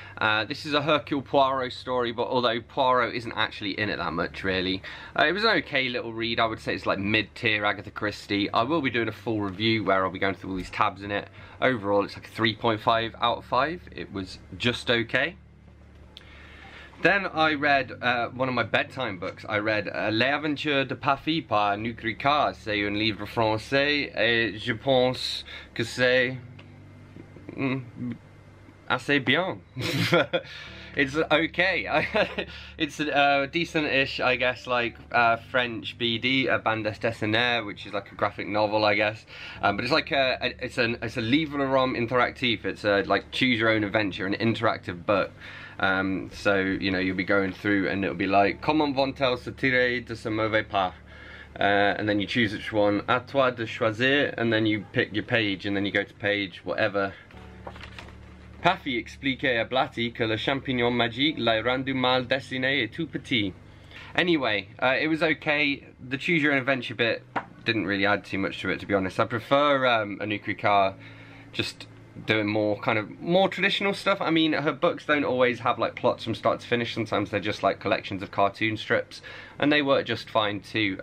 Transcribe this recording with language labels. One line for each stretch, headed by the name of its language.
English: This is a Hercule Poirot story, but although Poirot isn't actually in it that much, really. It was an okay little read. I would say it's like mid-tier Agatha Christie. I will be doing a full review where I'll be going through all these tabs in it. Overall, it's like a 3.5 out of 5. It was just okay. Then I read one of my bedtime books. I read Les Aventures de Pafy par Anouk Ricard.
French: C'est un livre français et je pense que c'est assez bien.
English: It's okay. It's a decent-ish, I guess, like French BD, a bande dessinée, which is like a graphic novel, I guess. But it's like it's a
French: livre rom interactif.
English: It's a like choose your own adventure, an interactive book. So you know you'll be going through, and it'll be like
French: comment vont-elle se tirer de ce mauvais pas,
English: and then you choose which one.
French: À toi de choisir,
English: and then you pick your page, and then you go to page whatever.
French: Pafy expliquait à Blatty que le champignon magique l'a rendu mal dessiné et tout petit.
English: Anyway, it was okay. The choose your own adventure bit didn't really add too much to it, to be honest. I prefer Anouk Ricard just doing more kind of more traditional stuff. I mean, her books don't always have like plots from start to finish. Sometimes they're just like collections of cartoon strips, and they work just fine too.